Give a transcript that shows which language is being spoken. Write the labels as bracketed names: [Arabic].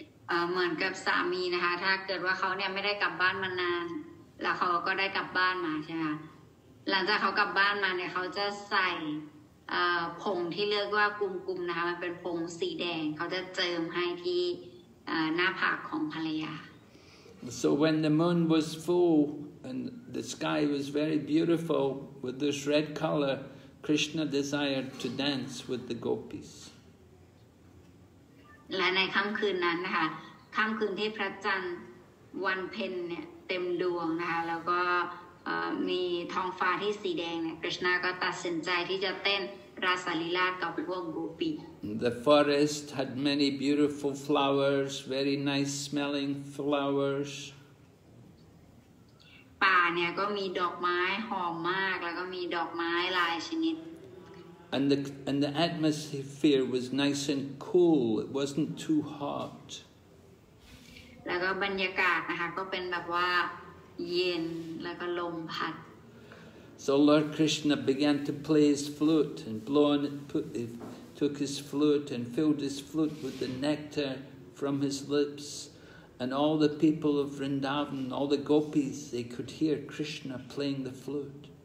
[English] So when the moon was full and the sky was very beautiful with this red color, Krishna desired to dance with the gopis. [Thai] และในค่ำคืนนั้นนะคะค่ำคืนที่พระจันทร์ วันเพ็ญเนี่ยเต็มดวงนะคะแล้วก็มีท้องฟ้าที่สีแดงเนี่ยกฤษณะก็ตัดสินใจที่จะเต้นราสลีลากับพวกกูปี [English] The forest had many beautiful flowers, very nice smelling flowers. [Thai] ป่าเนี่ยก็มีดอกไม้หอมมากแล้วก็มีดอกไม้หลายชนิด [English] And the atmosphere was nice and cool. It wasn't too hot. [Thai] แล้วก็บรรยากาศนะคะก็เป็นแบบว่าเย็นแล้วก็ลมพัด [English] So Lord Krishna began to play his flute and blow on it, put it, took his flute and filled his flute with the nectar from his lips. And all the people of Vrindavan, all the gopis, they could hear Krishna playing the flute.